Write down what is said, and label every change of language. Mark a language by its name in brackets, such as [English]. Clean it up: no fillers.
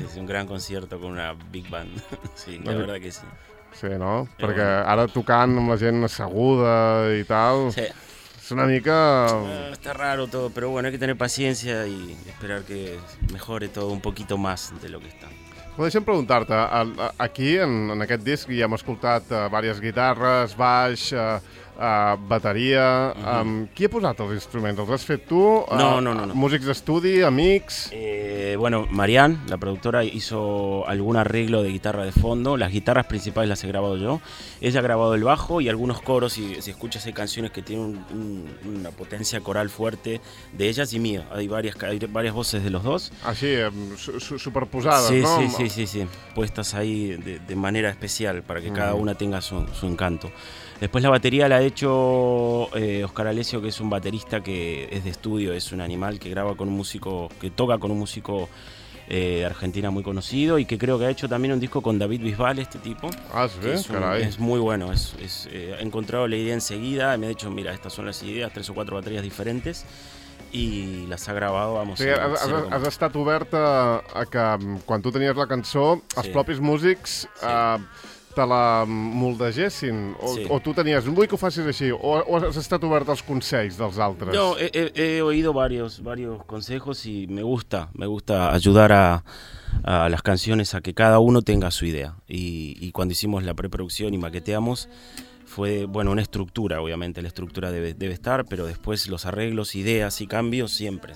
[Spanish] Sí, un gran concierto con una big band. Sí, la verdad que sí. Sí, no? [Catalan] Perquè ara tocant amb la gent asseguda i tal, sí, és una mica... [Spanish] Está raro todo, pero bueno, hay que tener paciencia y esperar que mejore todo un poquito más de lo que está. [Catalan] Deixa'm preguntar-te, aquí, en aquest disc, ja hem escoltat diverses guitarres, baix, bateria... Uh-huh. Qui ha posat els instruments? Els has fet tu? No. Músics d'estudi, amics... [Spanish] Bueno, Marianne, la productora, hizo algún arreglo de guitarra de fondo. Las guitarras principales las he grabado yo. Ella ha grabado el bajo y algunos coros. Si escuchas, hay canciones que tienen una potencia coral fuerte de ellas y mío. Hay varias voces de los dos. Así, superposadas, sí, ¿no? Sí. Puestas ahí de manera especial para que cada una tenga su encanto. Después la batería la ha hecho Oscar Alessio, que es un baterista que es de estudio, es un animal que graba con un músico, que toca con un músico de Argentina muy conocido y que creo que ha hecho también un disco con David Bisbal, este tipo. Ah, sí, caray. Es muy bueno, ha encontrado la idea enseguida, me ha dicho, mira, estas son las ideas, tres o cuatro baterías diferentes. [Catalan] I les ha gravat, vamos. Sí, has estat obert a que quan tu tenies la cançó, els sí, propis músics sí, te la moldegessin, o tu tenies, vull que ho facis així, o has estat obert als consells dels altres? [Spanish] No, he oído varios consejos y me gusta ayudar a las canciones a que cada uno tenga su idea. Y cuando hicimos la preproducción y maqueteamos, fue, bueno, una estructura, obviamente, la estructura debe estar, pero después los arreglos, ideas y cambios, siempre.